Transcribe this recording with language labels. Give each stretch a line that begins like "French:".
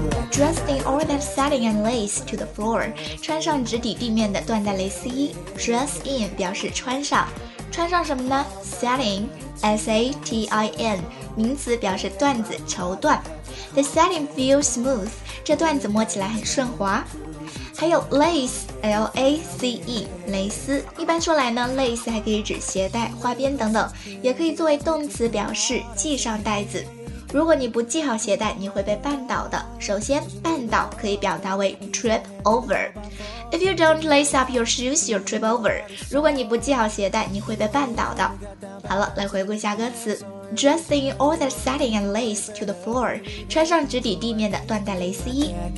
English: Dressed in all that satin and lace to the floor，
Chinese: 穿上直抵地面的缎带蕾丝衣。 Dress in 表示穿上，穿上什么呢？Satin， S-A-T-I-N， 名词表示缎子、绸缎。
English: The satin feels smooth，
Chinese: 这缎子摸起来很顺滑。还有 lace， L-A-C-E， 蕾丝。一般说来呢， lace 还可以指鞋带、花边等等，也可以作为动词表示系上带子。如果你不系好鞋带，你会被绊倒的。首先，绊倒可以表达为 trip over。
English: If you don't lace up your shoes, you'll trip over。
Chinese: 如果你不系好鞋带，你会被绊倒的。好了，来回顾一下歌词。
English: Dressed in all that satin and lace to the floor，
Chinese: 穿上直抵地面的缎带蕾丝衣。